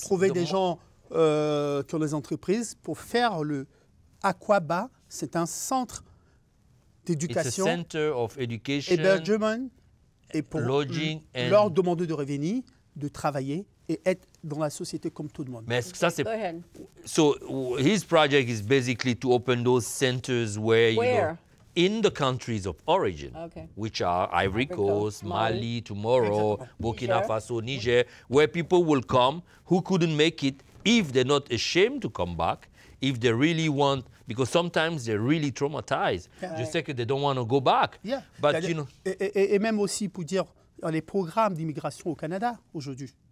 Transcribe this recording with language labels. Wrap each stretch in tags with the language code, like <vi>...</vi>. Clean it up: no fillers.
<fr>Trouver des gens qui ont des entreprises pour faire le Aquaba. C'est un centre d'éducation.</fr> <en>It's a center of education.</en> <fr>Hébergement. Et pour</fr> <en>lodging and</en> <fr>leur demander de revenir, de travailler et être dans la société comme tout le monde. Mais ça, c'est...</fr> <en>So his project is basically to open those centers where? You know, in the countries of origin, which are Ivory Coast, Mali, tomorrow, Burkina Faso, Niger, where people will come who couldn't make it if they're not ashamed to come back, if they really want, because sometimes they're really traumatized.</en> <fr>Je sais que</fr> <en>they don't want to go back. Yeah. But, you know...</en> <fr>Et même aussi pour dire les programmes d'immigration au Canada aujourd'hui.</fr>